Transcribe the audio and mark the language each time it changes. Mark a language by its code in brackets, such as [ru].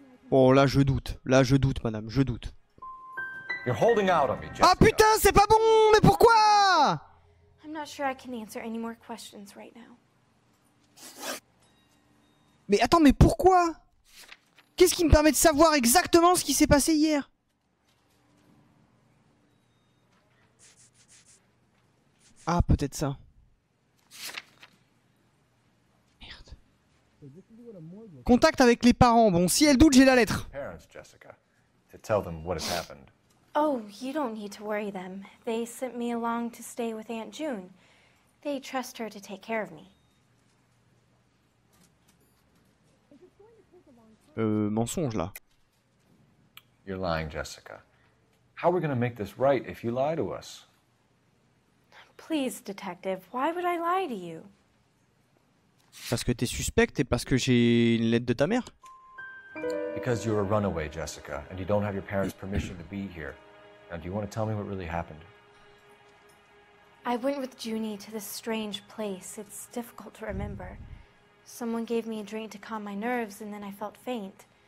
[fr] Bon, là je doute. Là je doute, madame, je doute. [en] You're holding out on me, Jessica. [fr] Ah putain, c'est pas bon, mais pourquoi? [en] I'm not sure I can answer any more questions right now. [fr] Mais attends, mais pourquoi? Qu'est-ce qui me permet de savoir exactement ce qui s'est passé hier? Ah, peut-être ça. Merde. Contact avec les parents. Bon, si elle doute, j'ai la lettre. [en] Parents, Jessica, to tell them what has happened. Oh, you don't need to worry them. They sent me along to stay with Aunt June. They trust her to take care of me. [fr] Mensonge là. [en] You're lying, Jessica. How are we going to make this right if you lie to us? Please, detective, why would I lie to you? [fr] Parce que t'es suspecte et parce que j'ai une lettre de ta mère. [en] Because you're a runaway, Jessica, and you don't have your parents' permission to be here. Now, do you want to tell me what really happened? I went with Junie to this strange place. It's difficult to remember. Someone gave me a drink to calm my nerves, and then I felt faint.